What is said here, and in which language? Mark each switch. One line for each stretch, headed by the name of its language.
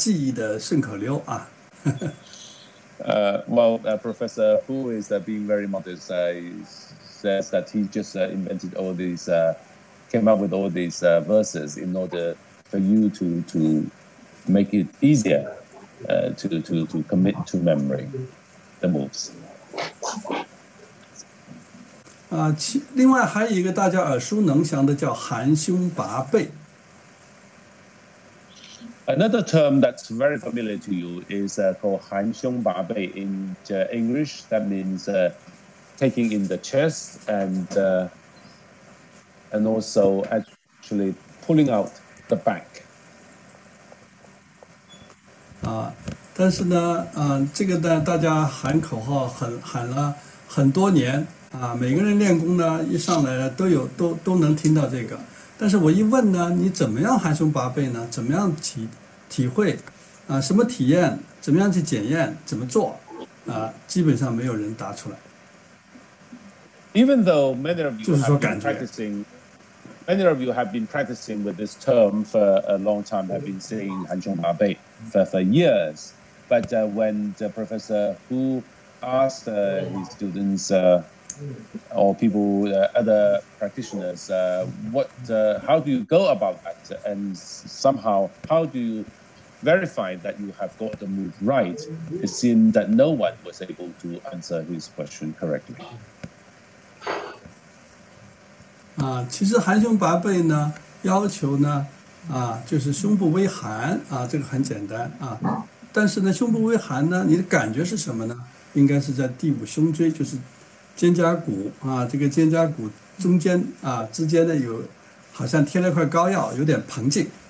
Chinese: 陈先生很客气，说我会有很多好的诗，其实不是，是就是便于大家记忆的顺口溜。
English: Professor Hu is being very modest, says that he just invented all these, came up with all these verses in order for you to make it easier. To commit to memory the moves.
Chinese: 另外还有一个大家耳熟能详的叫含胸拔背。
English: Another term that's very familiar to you is called han xiong ba bei in English. That means taking in the chest and also actually pulling out the back.
Chinese: 但是呢，这个呢，大家喊口号喊了很多年啊，每个人练功呢，一上来了都能听到这个。但是我一问呢，你怎么样含胸拔背呢？怎么样体会啊？什么体验？怎么样去检验？怎么做？啊，基本上没有人答出来。
English: Even though many of you have been practicing, many of you have been practicing with this term for a long time, have been saying 含胸拔背 for years. But when the professor who asked his students or people, other practitioners, how do you go about that? And somehow, how do you verify that you have got the move right? It seemed that no one was able to answer his question correctly.
Chinese: 其实含胸拔背呢，要求呢，就是胸部微含，这个很简单，但是呢，胸部微寒呢，你的感觉是什么呢？应该是在第五胸椎，就是肩胛骨啊，这个肩胛骨中间啊之间呢有，好像贴了块膏药，有点膨胀。